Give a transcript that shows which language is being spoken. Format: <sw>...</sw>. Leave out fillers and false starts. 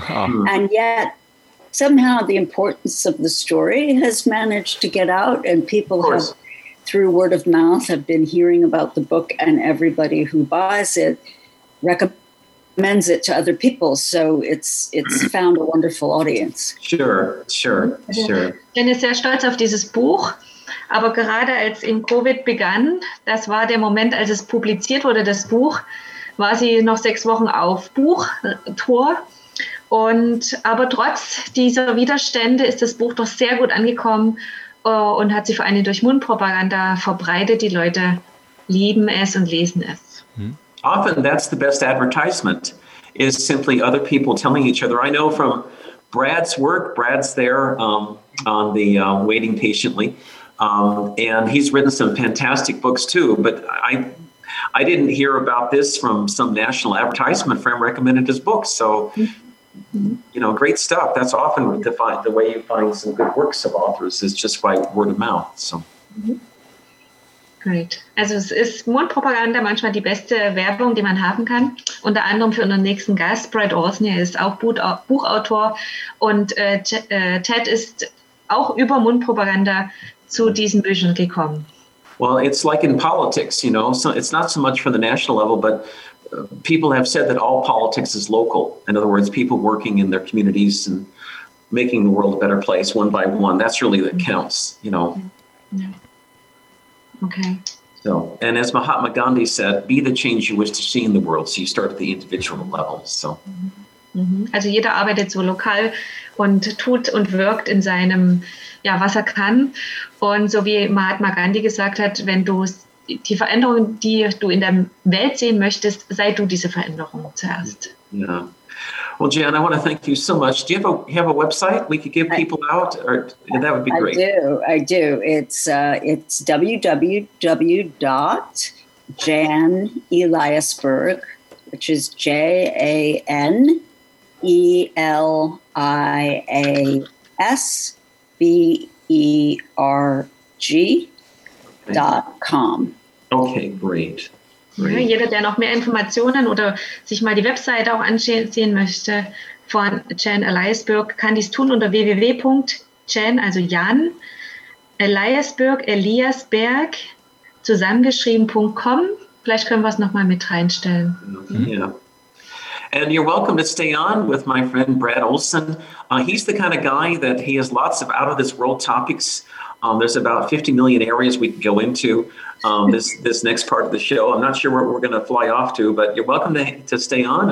<en>And yet somehow the importance of the story has managed to get out, and people have, through word of mouth, have been hearing about the book, and everybody who buys it recommends it to other people. So it's found a wonderful audience. Sure.</en> <de>Jen ist sehr stolz auf dieses Buch, aber gerade als in Covid begann, das war der Moment, als es publiziert wurde, das Buch, war sie noch 6 Wochen auf Buchtour. Und aber trotz dieser Widerstände ist das Buch doch sehr gut angekommen und hat sich vor allem durch Mundpropaganda verbreitet. Die Leute lieben es und lesen es.</de> <en>Often that's the best advertisement, is simply other people telling each other. I know from Brad's work, Brad's there on the waiting patiently, and he's written some fantastic books too, but I didn't hear about this from some national advertisement firm recommended his books. So, you know, great stuff. That's often the way you find some good works of authors is just by word of mouth. So, great.</en> <de>Also es ist Mundpropaganda manchmal die beste Werbung, die man haben kann. Unter anderem für unseren nächsten Gast, Brad Orsner, ist auch Buchautor. Und Ted ist auch über Mundpropaganda zu diesen Büchern gekommen.</de> <en>Well, it's like in politics, you know, so it's not so much from the national level, but people have said that all politics is local. In other words, people working in their communities and making the world a better place one by one. That's really that counts, you know. Okay. So, and as Mahatma Gandhi said, be the change you wish to see in the world. So you start at the individual level. So. Mm-hmm.</en> <de>Also jeder arbeitet so lokal und tut und wirkt in seinem, ja, was er kann. Und so wie Mahatma Gandhi gesagt hat, wenn du die Veränderung, die du in der Welt sehen möchtest, sei du diese Veränderung zuerst.</de> <en>Yeah. Well, Jan, I want to thank you so much. Do you have a website we could give people out? Or, that would be great. I do. It's www.janeliasberg, which is JANELIASBERG.com. Okay, great.</en> <de>Ja, jeder, der noch mehr Informationen oder sich mal die Webseite auch ansehen möchte von Jan Eliasberg, kann dies tun unter www.jan, also Jan Eliasberg, Eliasberg zusammengeschrieben.com. Vielleicht können wir es nochmal mit reinstellen. Ja.</de> <en>And you're welcome to stay on with my friend Brad Olson. He's the kind of guy that he has lots of out of this world topics. There's about 50 million areas we could go into this next part of the show. I'm not sure where we're going to fly off to, but you're welcome to stay on.</en>